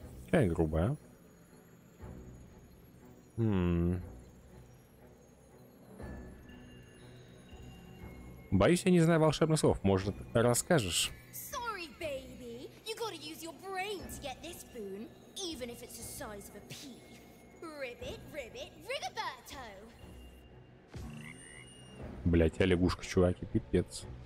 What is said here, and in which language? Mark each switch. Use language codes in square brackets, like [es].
[ru] Какая грубая. Боюсь, я не знаю волшебных слов. Может, расскажешь? Sorry, baby. [en] You gotta use your brain to get this boon, even if it's the size of a pea. Ribbit, ribbit, Rigoberto. [ru] Блять, я лягушка, чуваки, пипец.